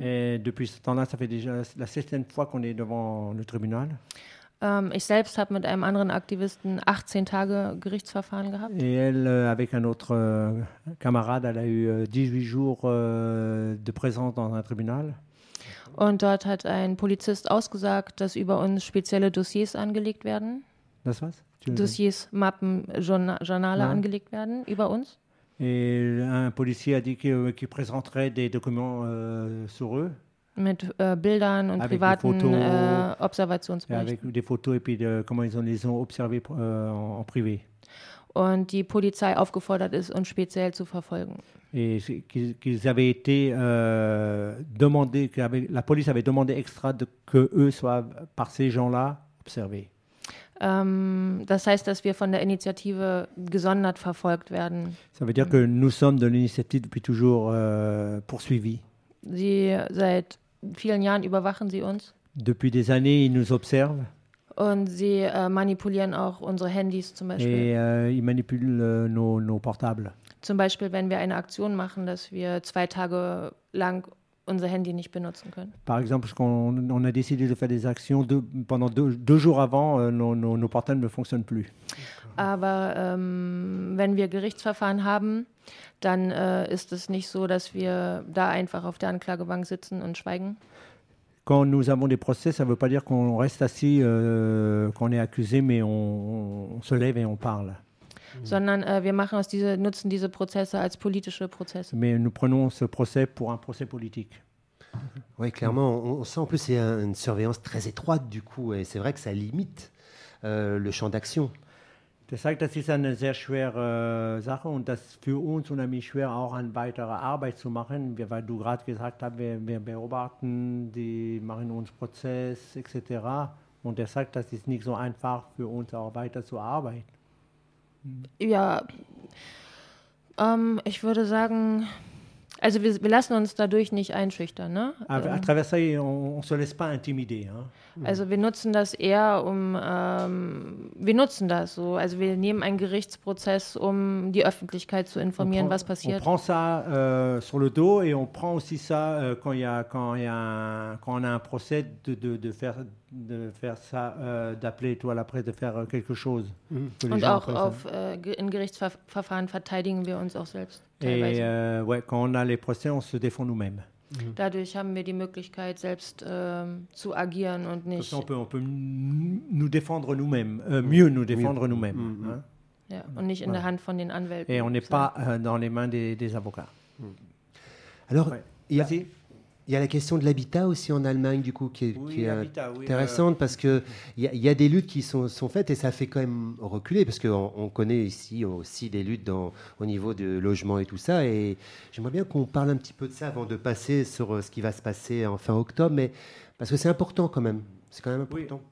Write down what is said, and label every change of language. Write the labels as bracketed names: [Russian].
[French] Et depuis ce temps-là, ça fait déjà la 16e fois qu'on est devant le tribunal. [German] Ich selbst habe mit einem anderen Aktivisten 18 Tage Gerichtsverfahren gehabt. [French] Et elle, avec un autre camarade, elle a eu 18 jours de présence dans un tribunal. [German] Und dort hat ein Polizist ausgesagt, dass über uns spezielle Dossiers angelegt werden. Das was? Dossiers, Mappen, Journale angelegt werden über uns. [French] Et un policier a dit qu'il présenterait des documents sur eux. [German] Mit Bildern und privaten Observationsberichten. [French] Avec des photos et puis de, comment ils ont observé en privé. [German] Und die Polizei aufgefordert ist, uns speziell zu verfolgen. [French] Et qu'ils avaient été demandés, que la police avait demandé extra que eux soient par ces gens-là observés. [German] Das heißt, dass wir von der Initiative gesondert verfolgt werden. [French] Ça veut dire que nous sommes de l'initiative depuis toujours poursuivis. [German] Sie seit vielen Jahren überwachen sie uns. [French] Depuis des années, ils nous observent. [German] Und sie manipulieren auch unsere Handys zum Beispiel. [French] Et ils manipulent nos portables. [German] Zum Beispiel, wenn wir eine Aktion machen, dass wir 2 Tage lang unser Handy nicht benutzen können. [French] Par exemple, on a décidé de faire des actions pendant deux jours avant, nos portables ne fonctionnent plus. [German] Aber wenn wir Gerichtsverfahren haben, dann ist es nicht so, dass wir da einfach auf der Anklagebank sitzen und schweigen. [French] Quand nous avons des procès, ça ne veut pas dire qu'on reste assis, qu'on est accusé, mais on se lève et on parle. [German] Sondern wir machen aus diese nutzen diese Prozesse als politische Prozesse. [French] Mais nous prenons ce procès pour un procès politique. Oui, clairement, on sent en plus c'est une surveillance très étroite du coup, et c'est vrai que ça limite le champ d'action. C'est vrai que c'est une [German] sehr schwere Sache und das für uns unheimlich schwer auch eine weitere Arbeit zu machen, weil du gerade gesagt hast, wir beobachten, die machen uns Prozess etc. Und er sagt, das ist nicht so einfach für uns auch weiter zu arbeiten. Ja, ich würde sagen, also wir lassen uns dadurch nicht einschüchtern. Ne? [French] À travers ça, on se laisse pas intimider. Hein? [German] Also wir nutzen das eher, wir nutzen das so. Also wir nehmen einen Gerichtsprozess, um die Öffentlichkeit zu informieren, was passiert. [French] On prend ça sur le dos et on prend aussi ça quand on a un procès de faire ça, d'appeler toi à la presse, de faire quelque chose. Mm. [German] Und auch auf, in Gerichtsverfahren verteidigen wir uns auch selbst. [French] Et quand on a les procès, on se défend nous-mêmes. Mm. [German] Dadurch haben wir die Möglichkeit, selbst zu agieren und nicht. [French] Ça, on peut nous défendre nous-mêmes, mieux nous défendre nous-mêmes. Mm. [German] Hein? Ja, und nicht in der Hand von den Anwälten. [French] Et on n'est pas dans les mains des avocats. Mm. Alors, merci. Il y a la question de l'habitat aussi en Allemagne, du coup, qui est intéressante, parce qu'il y a des luttes qui sont faites, et ça fait quand même reculer, parce qu'on connaît ici aussi des luttes au niveau du logement et tout ça, et j'aimerais bien qu'on parle un petit peu de ça avant de passer sur ce qui va se passer en fin octobre, mais, parce que c'est important quand même, c'est quand même important.